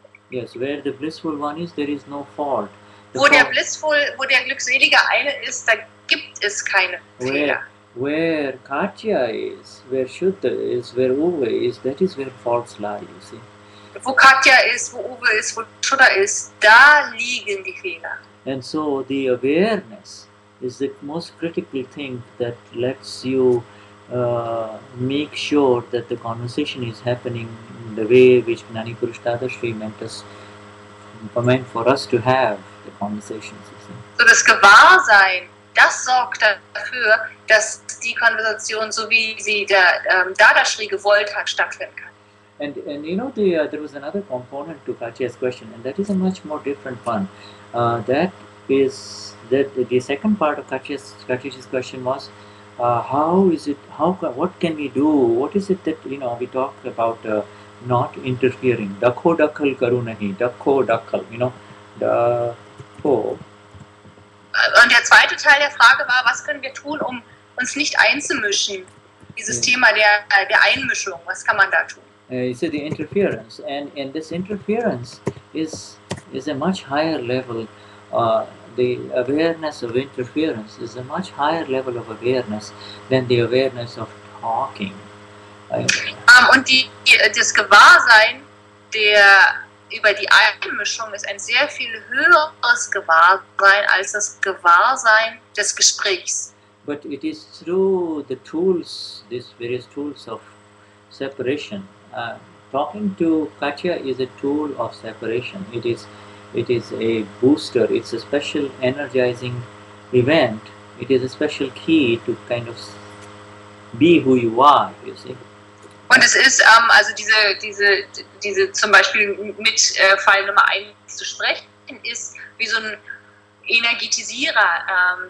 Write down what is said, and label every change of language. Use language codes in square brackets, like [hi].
[en] Yes, where the blissful one is, there is no fault. [de] Wo der glückselige eine ist, da gibt es keine Fehler. [en] Where Katja is, where Shuddha is, where Uwe is, that is where faults lie, you see. [de] Wo Katja ist, wo Uwe ist, wo Shuddha ist, da liegen die Fehler. [en] And so the awareness is the most critical thing that lets you make sure that the conversation is happening in the way which Gnani Purush Dadashri meant for us to have the conversations, you see. [de] So das Gewahrsein, das sorgt dafür, dass die Konversation, so wie sie der Dadashri gewollt hat, stattfinden kann. [en] And you know, there was another component to Katja's question, and that is a much more different one. That is that the second part of Katja's question was, what can we do? What is it that, you know, we talk about not interfering? [gu] Dakho dakhal karu nahi, dakho dakhal, [en] you know, [gu] dakho. [de] Und der zweite Teil der Frage war, was können wir tun, um uns nicht einzumischen? dieses Thema der Einmischung, was kann man da tun? [en] You see the interference, and in this interference is a much higher level. The awareness of interference is a much higher level of awareness than the awareness of talking. [de] Und das Gewahrsein über die Einmischung ist ein sehr viel höheres Gewahrsein als das Gewahrsein des Gesprächs. [en] But it is through the tools, these various tools of separation. Talking to Katja is a tool of separation. It is a booster. It's a special energizing event. It is a special key to kind of be who you are, you see. [de] Und es ist also diese zum Beispiel mit Fall Nummer 1 zu sprechen ist wie so ein Energetisierer.